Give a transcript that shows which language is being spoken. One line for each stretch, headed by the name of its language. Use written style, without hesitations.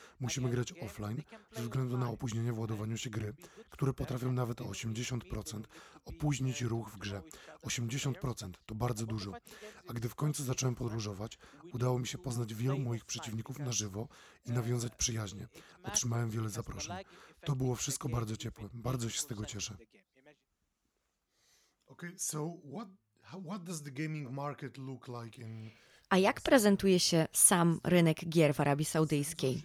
Polish: Musimy grać offline ze względu na opóźnienia w ładowaniu się gry, które potrafią nawet o 80% opóźnić ruch w grze. 80% to bardzo dużo. A gdy w końcu zacząłem podróżować, udało mi się poznać wielu moich przeciwników na żywo i nawiązać przyjaźnie. Otrzymałem wiele zaproszeń. To było wszystko bardzo ciepłe. Bardzo się z tego cieszę.
English: Okay, so what does the gaming market look like in...
Polish: A jak prezentuje się sam rynek gier w Arabii Saudyjskiej?